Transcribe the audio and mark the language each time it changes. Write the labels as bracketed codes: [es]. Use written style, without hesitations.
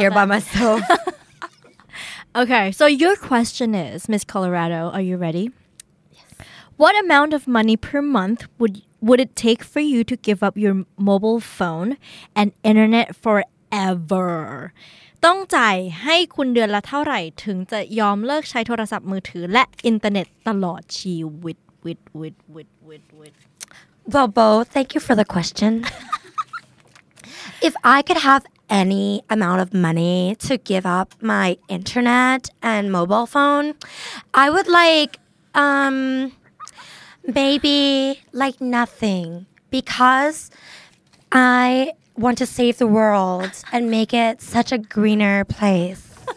[en] here that. By myself. Okay. So, your question is, Miss Colorado, are you ready? Yes. What amount of money per month would it take for you to give up your mobile phone and internet forever? [th] ต้องจ่ายให้คุณเดือนละเท่าไหร่ถึงจะยอมเลิกใช้โทรศัพท์มือถือและอินเทอร์เน็ตตลอดชีวิต [en] Well, Bo, thank you for the question. If I could have any amount of money to give up my internet and mobile phone, I would like... maybe, like, nothing, because I want to save the world and make it such a greener place.